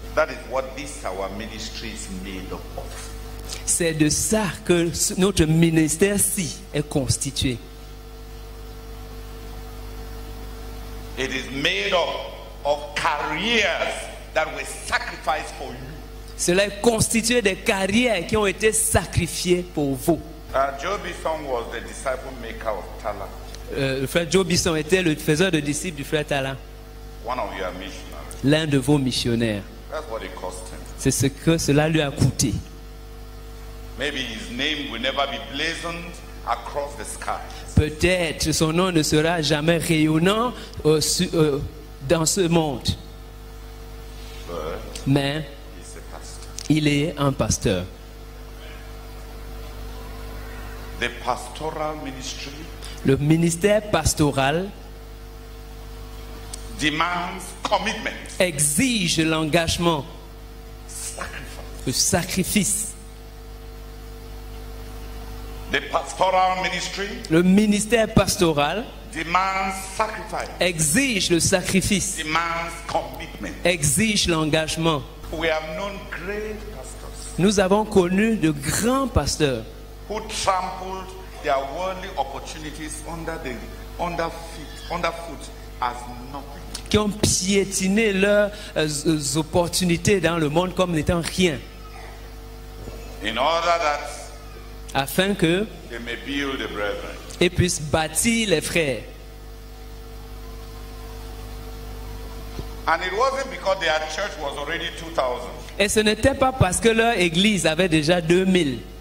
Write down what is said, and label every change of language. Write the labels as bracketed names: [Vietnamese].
[English] That is what this our ministry is made of. [French] C'est de ça que notre ministère-ci est constitué. [English] It is made of careers that were sacrificed for you. [French] Cela est constitué de carrières qui ont été sacrifiées pour vous. [English] Joe Bisson was the disciple maker of Tala. [French] Le frère Joe Bisson était le faiseur de disciples du frère Tala. [English] One of your missionaries. [French] L'un de vos missionnaires. [English] That's what it cost him. [French] C'est ce que cela lui a coûté. [English] Maybe his name will never be blazoned across the sky. [French] Peut-être son nom ne sera jamais rayonnant dans ce monde. Mais [English] he's a pastor. [French] Il est un pasteur. [English] The pastoral ministry. [French] Le ministère pastoral [English] demands commitment. [French] Exige l'engagement. [English] Sacrifice. [French] Le sacrifice. [English] The pastoral ministry. [French] Le ministère pastoral [English] demands sacrifice. [French] Exige le sacrifice. [English] Demands commitment. [French] Exige l'engagement. [English] We have known great pastors. [French] Nous avons connu de grands pasteurs. [English] Who trampled their worldly opportunities underfoot as nothing. [French] Qui ont piétiné leurs opportunités dans le monde comme n'étant rien. [English] In order that [French] afin que [English] they may build the brethren. [French] et puisse bâtir les frères. [English] And it wasn't because their church was already 2000. [French] Et ce n'était pas parce que leur église avait déjà 2000.